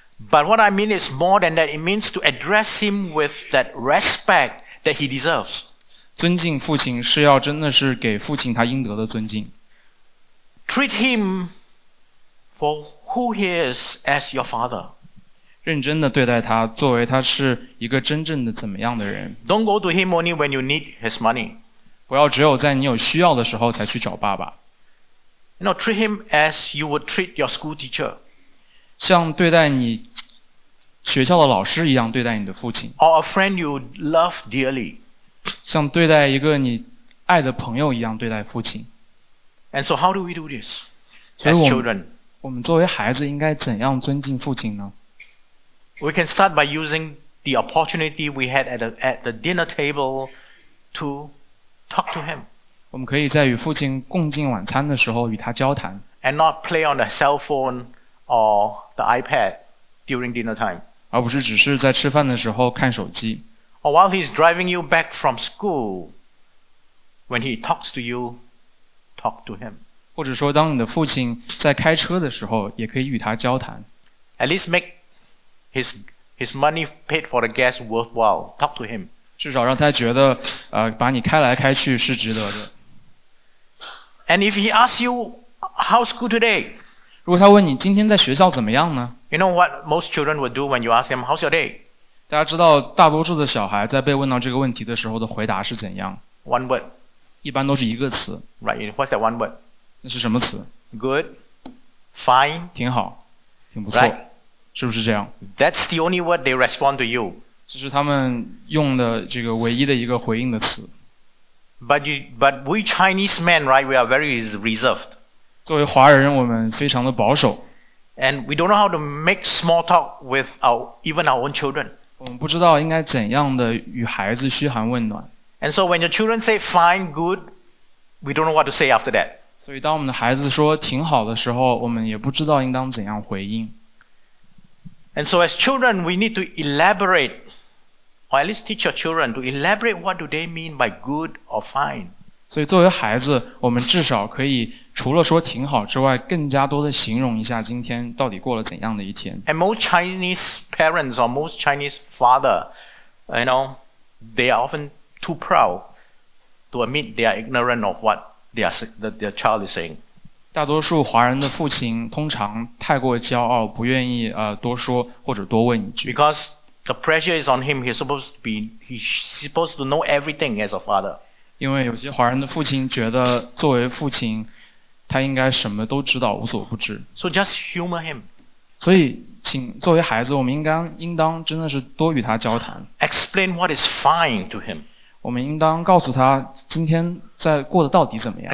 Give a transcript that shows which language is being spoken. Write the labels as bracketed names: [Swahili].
[English] But what I mean is more than that. It means to address him with that respect that he deserves. [Chinese] 尊敬父亲是要真的是给父亲他应得的尊敬。 [English] Treat him for who he is as your father. [Chinese] 认真的对待他，作为他是一个真正的怎么样的人。 [English] Don't go to him only when you need his money. [Chinese] 不要只有在你有需要的时候才去找爸爸。 [English] You know, treat him as you would treat your school teacher. [Chinese] 像对待你学校的老师一样对待你的父亲。 [English] Or a friend you love dearly. [Chinese] 像对待一个你爱的朋友一样对待父亲。 [English] And so how do we do this as children? [Chinese] 我们作为孩子应该怎样尊敬父亲呢？ [English] We can start by using the opportunity we had at the dinner table to talk to him. [Chinese] 我们可以在与父亲共进晚餐的时候与他交谈。 [English] And not play on the cell phone. Or the iPad during dinner time. [Chinese] 而不是只是在吃饭的时候看手机。 [English] Or while he's driving you back from school, when he talks to you, talk to him. [Chinese] 或者说当你的父亲在开车的时候也可以与他交谈。 [English] At least make his money paid for the gas worthwhile. Talk to him. [Chinese] 至少让他觉得把你开来开去是值得的。 [English] And if he asks you, how's school today? [Chinese] 如果他问你今天在学校怎么样呢？ [English] You know what most children would do when you ask them, how's your day? [Chinese] 大家知道大多数的小孩在被问到这个问题的时候的回答是怎样？ [English] One word. [Chinese] 一般都是一个词。 [English] Right, what's that one word? [Chinese] 那是什么词？ [English] Good, fine. [Chinese] 挺好，挺不错。 [English] Right. [Chinese] 是不是这样？ [English] That's the only word they respond to you. [Chinese] 这是他们用的这个唯一的一个回应的词。 [English] But we Chinese men, right, we are very reserved. [Chinese] 作为华人我们非常的保守。 [English] And we don't know how to make small talk with even our own children. [Chinese] 我们不知道应该怎样的与孩子嘘寒问暖。 [English] And so when your children say fine, good, we don't know what to say after that. [Chinese] 所以当我们的孩子说挺好的时候，我们也不知道应当怎样回应。 [English] And so as children, we need to elaborate, or at least teach your children to elaborate what do they mean by good or fine. [Chinese] 所以作为孩子我们至少可以除了说挺好之外更加多的形容一下今天到底过了怎样的一天。 [English] And most Chinese parents or most Chinese father, you know, they are often too proud to admit they are ignorant of what their child is saying. [Chinese] 大多数华人的父亲通常太过骄傲不愿意多说或者多问一句。 [English] Because the pressure is on him, he's supposed to know everything as a father. [Chinese] 因为有些华人的父亲觉得作为父亲他应该什么都知道无所不知。 [English] So just humor him. [Chinese] 所以请作为孩子我们应当真的是多与他交谈。 [English] Explain what is fine to him. [Chinese] 我们应当告诉他今天在过得到底怎么样。